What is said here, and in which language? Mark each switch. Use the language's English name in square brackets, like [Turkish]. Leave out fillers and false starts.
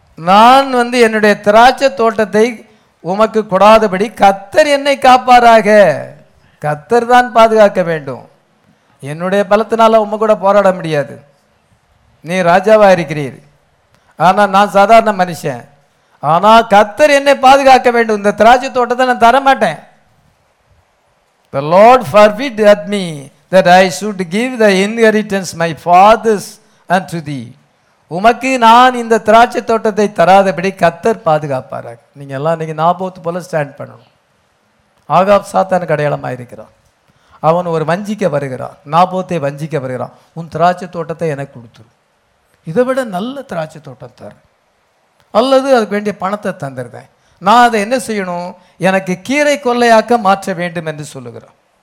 [Tamil] நான் வந்து என்னுடைய திராட்சை தோட்டத்தை உமக்கு கொடாதபடி கர்த்தர் என்னை காப்பாராக. கர்த்தர் தான் பாதுகாக்க வேண்டும், என்னுடைய பலத்தினால உமை கூட போராட முடியாது. நீ ராஜாவா இருக்கிறீர், ஆனா நான் சாதாரண மனுஷன், ஆனா கர்த்தர் என்னை பாதுகாக்க வேண்டும், இந்த திராட்சை தோட்டத்தை நான் தர மாட்டேன். [English] The Lord forbid at me that I should give the inheritance my fathers unto thee. [Tamil] உமக்கு நான் இந்த திராட்சை தோட்டத்தை தராதபடி கர்த்தர் பாதுகாப்பார. நீங்க எல்லாம் நாபோத்து போல ஸ்டாண்ட் பண்ணணும். ஆகாப் சாத்தானுக்கு அடையாளமாயிருக்கிறான். அவன் ஒரு வஞ்சிக்க வருகிறான், நாபோத்தை வஞ்சிக்க வருகிறான், உன் திராட்சை தோட்டத்தை எனக்கு கொடுத்துரு, இதை விட நல்ல திராட்சை தோட்டம் தர, அல்லது அதுக்கு வேண்டிய பணத்தை தந்துருந்தேன், நான் அதை என்ன செய்யணும், எனக்கு கீரை கொள்ளையாக்க மாற்ற வேண்டும் என்று சொல்லுகிறான்.